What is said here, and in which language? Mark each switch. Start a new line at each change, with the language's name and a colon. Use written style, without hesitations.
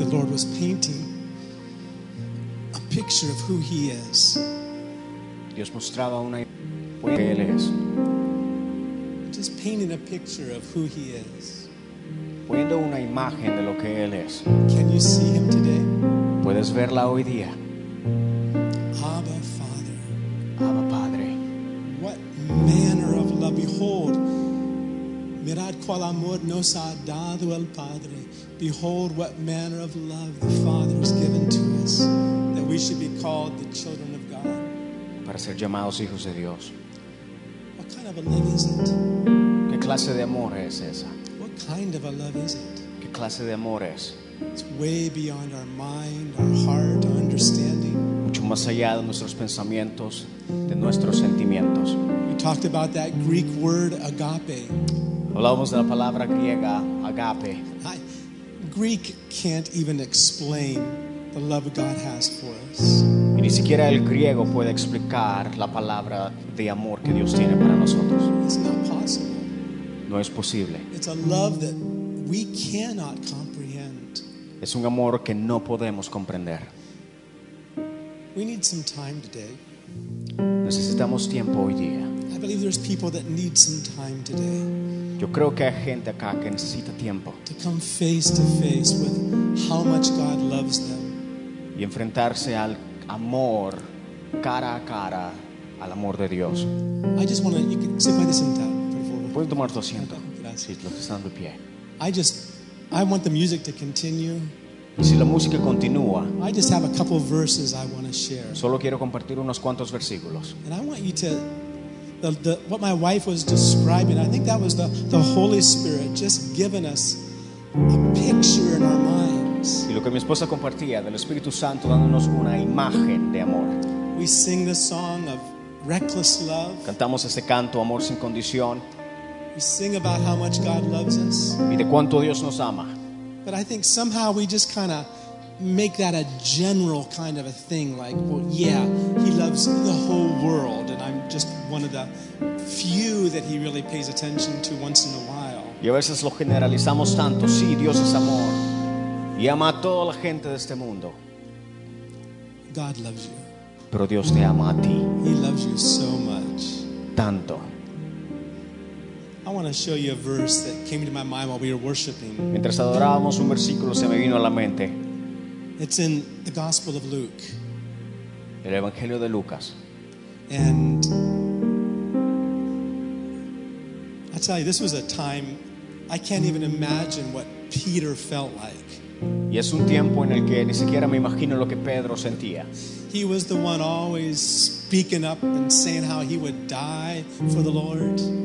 English: was painting a picture of who he is.
Spanish: Dios mostraba una imagen de él es.
English: Just painting a picture of who he is.
Spanish: Poniendo una imagen de lo que él es.
English: Can you see him today?
Spanish: Puedes verla hoy día.
English: Abba, Father.
Spanish: Abba, Padre.
English: What manner of love?
Spanish: Behold, mirad cual amor nos ha dado el Padre.
English: Behold, what manner of love the Father has given to us, that we should be called the children of God.
Spanish: Para ser llamados hijos de Dios.
English: What kind of a love is it?
Spanish: ¿Qué clase de amor es esa?
English: What kind of a love is it?
Spanish: ¿Qué clase de amor es?
English: It's way beyond our mind, our heart, our understanding.
Spanish: Mucho más allá de nuestros pensamientos, de nuestros sentimientos.
English: You talked about that Greek word agape.
Spanish: Hablamos de la palabra griega agape.
English: Greek can't even explain the love God has for us.
Spanish: Y ni siquiera el griego puede explicar la palabra de amor que Dios tiene para nosotros.
English: It's not possible.
Spanish: No es posible.
English: It's a love that we cannot comprehend.
Spanish: Es un amor que no podemos comprender.
English: We need some time today.
Spanish: Necesitamos tiempo hoy día.
English: I believe there's people that need some time today.
Spanish: Yo creo que hay gente acá que necesita tiempo.
English: To come face to face with how much God loves them.
Spanish: Y enfrentarse al amor cara a cara al amor de Dios.
English: I just want to, you can sit by the center,
Spanish: por favor. Puedes tomar tu asiento. Sí, los que están de pie.
English: I want the music to continue.
Spanish: Y si la música continúa.
English: I just have a couple of verses I want to share.
Spanish: Solo quiero compartir unos cuantos versículos.
English: And I want you to, what my wife was describing, I think that was the Holy Spirit just giving us a picture in our minds.
Spanish: Y lo que mi esposa compartía del Espíritu Santo dándonos una imagen de amor.
English: We sing the song of reckless love.
Spanish: Cantamos ese canto, amor sin condición.
English: We sing about how much God loves us.
Spanish: Y de cuánto Dios nos ama.
English: But I think somehow we just kind of make that a general kind of a thing, like, well, yeah, he loves the whole world, and I'm just one of the few that he really pays attention to once in a while.
Spanish: Y a veces lo generalizamos tanto. Sí, Dios es amor y ama a toda la gente de este mundo.
English: God loves you.
Spanish: Pero Dios te ama a ti.
English: He loves you so much.
Spanish: Tanto.
English: I want to show you a verse that came to my mind while we were worshiping.
Spanish: Mientras adorábamos, un versículo se me vino a la mente.
English: It's in the Gospel of Luke.
Spanish: El Evangelio de Lucas.
English: And I tell you, this was a time I can't even imagine what Peter felt like.
Spanish: Y es un tiempo en el que ni siquiera me imagino lo que Pedro sentía.
English: He was the one always speaking up and saying how he would die for the Lord.